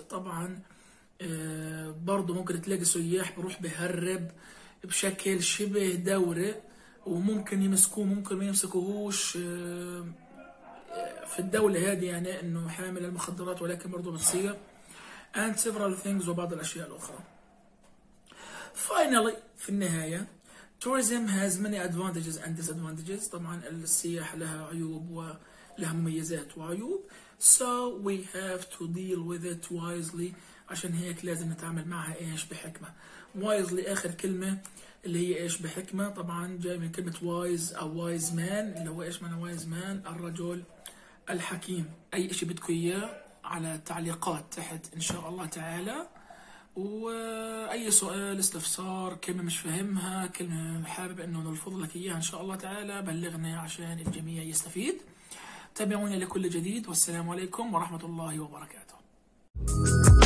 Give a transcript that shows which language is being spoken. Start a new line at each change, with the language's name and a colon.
Arabic: طبعا برضو ممكن تلاقي سياح بروح بهرب بشكل شبه دوري، وممكن يمسكوه ممكن ما يمسكوهوش في الدولة هذه، يعني انه حامل المخدرات، ولكن برضو بتصير.
English: And several things
Arabic: وبعض الأشياء الأخرى.
English: Finally
Arabic: في النهاية،
English: tourism has many advantages and disadvantages.
Arabic: طبعا السياح لها عيوب ولها مميزات وعيوب.
English: So we have to deal with it wisely.
Arabic: عشان هيك لازم نتعامل معها إيش بحكمة.
English: Wisely
Arabic: آخر كلمة اللي هي إيش بحكمة. طبعا جاي من كلمة wise أو
English: wise man
Arabic: اللي هو إيش، من wise man الرجل الحكيم. أي إشي بدكم إياه على التعليقات تحت إن شاء الله تعالى، وأي سؤال استفسار، كلمة مش فهمها، كلمة حابب أنه نلفظ لك إياها إن شاء الله تعالى، بلغنا عشان الجميع يستفيد. تابعوني لكل جديد، والسلام عليكم ورحمة الله وبركاته.